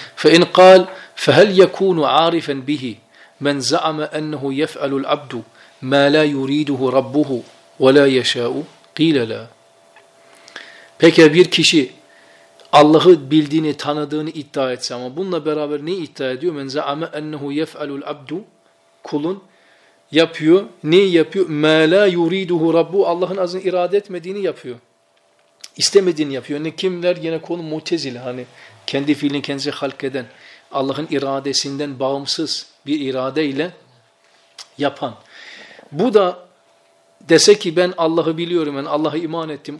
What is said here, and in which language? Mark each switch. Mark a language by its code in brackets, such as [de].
[ar] فَاِنْ قَالْ فَهَلْ يَكُونُ عَارِفًا بِهِ مَنْ زَعَمَ أَنَّهُ يَفْعَلُ الْعَبْدُ مَا لَا يُرِيدُهُ رَبُّهُ وَلَا يَشَاءُ قِيلَ لَا. [tr] Peki bir kişi Allah'ı bildiğini, tanıdığını iddia etse ama bununla beraber ne iddia ediyor? [ar] مَنْ زَعَمَ أَنَّهُ يَفْعَلُ الْعَبْدُ [tr] kulun yapıyor. Neyi yapıyor? [ar] مَا لَا يُرِيدُهُ رَبُّهُ [tr] Allah'ın azını irade etmediğini yapıyor. İstemediğini yapıyor. Yani kimler yine konu mutezil. Hani kendi fiilini kendisi halk eden, Allah'ın iradesinden bağımsız bir iradeyle yapan. Bu da dese ki ben Allah'ı biliyorum, yani Allah'a iman ettim.